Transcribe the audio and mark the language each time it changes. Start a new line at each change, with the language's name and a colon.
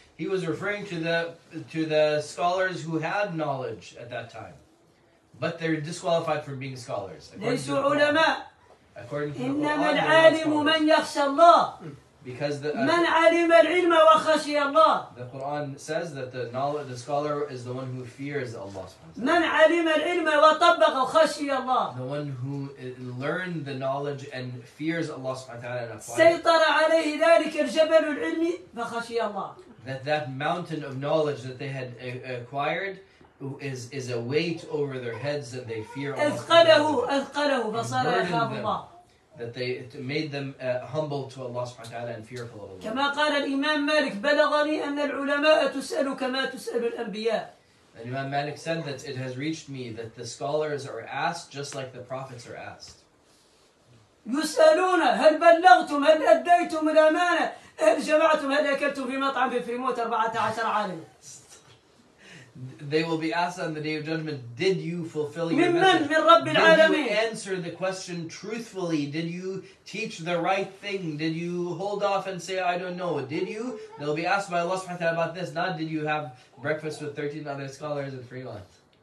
English: He was referring to the scholars who had knowledge at that time, but they're disqualified from being scholars.
Arabic: ليسوا علماء.
English: According to
Arabic: إنما العالم من يخشى الله.
English: Because the
Arabic: من علم العلم وخشي الله.
English: The Quran says that the knowledge, the scholar is the one who fears Allah.
Arabic: من علم العلم وطبق وخشي الله.
English: The one who learned the knowledge and fears Allah
Arabic: سبحانه وتعالى. سيطر عليه ذلك الجبل العلمي فخشي الله.
English: That mountain of knowledge that they had acquired is a weight over their heads that they fear Allah.
Arabic: أثقله فصار يخاف الله.
English: That they made them humble to Allah subhanahu wa ta'ala and fearful of Allah.
Arabic: كما قال الإمام مالك بلغني أن العلماء تسأل كما تسأل الأنبياء.
English: And Imam Malik said that it has reached me that the scholars are asked just like the prophets are asked.
Arabic: يسألون هل بلغتم هل أديتم الأمانة هل جمعتم هل أكلتم في مطعم في موت 14 عالم.
English: They will be asked on the Day of Judgment, did you fulfill your message? Did you answer the question truthfully? Did you teach the right thing? Did you hold off and say, I don't know? Did you? They'll be asked by Allah subhanahu wa ta'ala about this, not did you have breakfast with 13 other scholars in 3 months.